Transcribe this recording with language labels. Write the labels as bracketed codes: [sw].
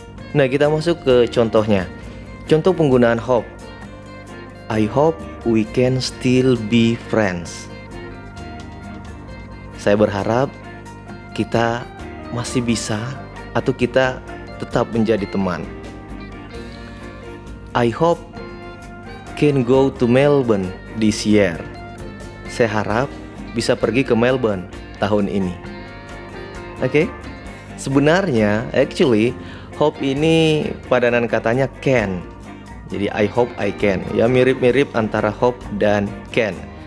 [id] Nah, kita masuk ke contohnya. Contoh penggunaan hope. [en] I hope we can still be friends. [id] Saya berharap kita masih bisa atau kita tetap menjadi teman. [en] I hope can go to Melbourne this year. [id] Saya harap bisa pergi ke Melbourne tahun ini. Okay? Sebenarnya, actually, hope ini padanan katanya can. Jadi [en] I hope I can. [id] Ya, mirip-mirip antara hope dan can.